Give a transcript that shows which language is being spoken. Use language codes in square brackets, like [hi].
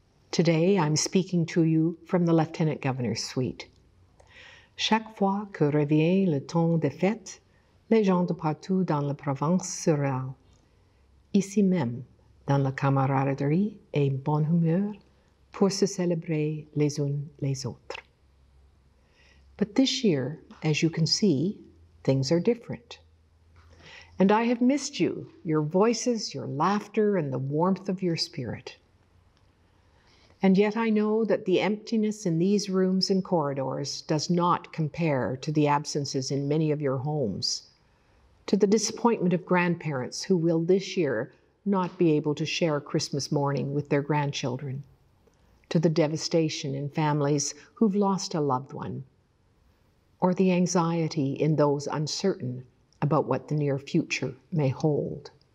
[en] Today I'm speaking to you from the Lieutenant Governor's suite. [fr] Chaque fois que revient le temps des fêtes, les gens de partout dans la province se rallent. Ici même, dans la camaraderie et bonne humeur, pour se célébrer les uns les autres. [en] But this year, as you can see, things are different. And I have missed you, your voices, your laughter, and the warmth of your spirit. And yet I know that the emptiness in these rooms and corridors does not compare to the absences in many of your homes, to the disappointment of grandparents who will this year not be able to share Christmas morning with their grandchildren, to the devastation in families who've lost a loved one, or the anxiety in those uncertain about what the near future may hold.